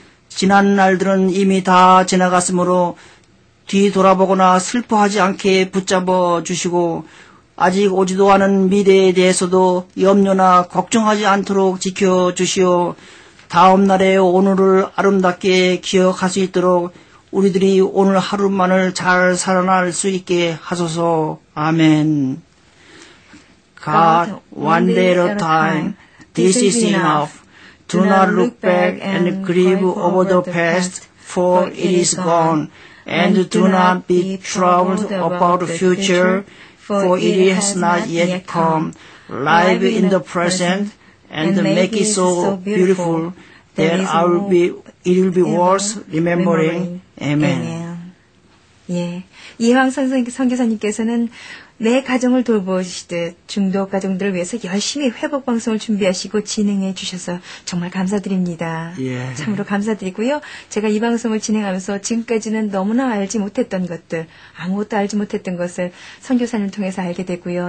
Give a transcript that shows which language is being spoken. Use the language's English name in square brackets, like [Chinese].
[Korean] 지난 날들은 이미 다 지나갔으므로 뒤돌아보거나 슬퍼하지 않게 붙잡아 주시고 아직 오지도 않은 미래에 대해서도 염려나 걱정하지 않도록 지켜주시오. 다음 날의 오늘을 아름답게 기억할 수 있도록 우리들이 오늘 하루만을 잘 살아날 수 있게 하소서. 아멘. [English] God, one day at a time, this is enough. Do not look back and grieve over the past, for it is gone. And do not be troubled about the future, for it has not yet come. Live in the present and make it so beautiful that it will be worth remembering. [Korean] 아멘. 예. 이해왕 선교사님께서는 내 가정을 돌보시듯 중독 가정들을 위해서 열심히 회복 방송을 준비하시고 진행해 주셔서 정말 감사드립니다. 예. 참으로 감사드리고요. 제가 이 방송을 진행하면서 지금까지는 너무나 알지 못했던 것들, 아무것도 알지 못했던 것을 선교사님을 통해서 알게 되고요.